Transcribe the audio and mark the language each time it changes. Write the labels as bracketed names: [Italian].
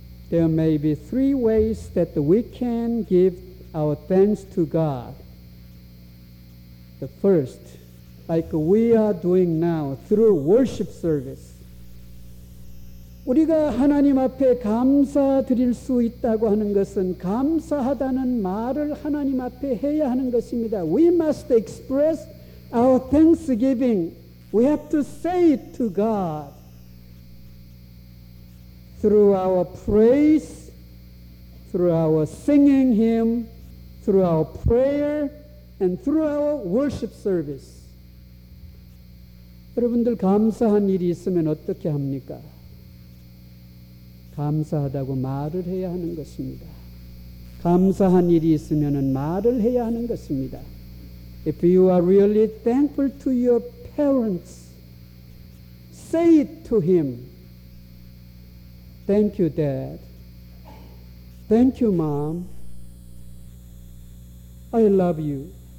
[English] There may be three ways that we can give our thanks to God. The first, like we are doing now through worship service. [Korean] 우리가 하나님 앞에 감사드릴 수 있다고 하는 것은 감사하다는 말을 하나님 앞에 해야 하는 것입니다. [English] We must express our thanksgiving. We have to say it to God through our praise, through our singing Him, through our prayer, and through our worship service. [Korean] 여러분들 감사한 일이 있으면 어떻게 합니까? 감사하다고 말을 해야 하는 것입니다. 감사한 일이 있으면은 말을 해야 하는 것입니다. [English] If you are really thankful to your parents, say it to him. Thank you, Dad. Thank you, Mom. I love you.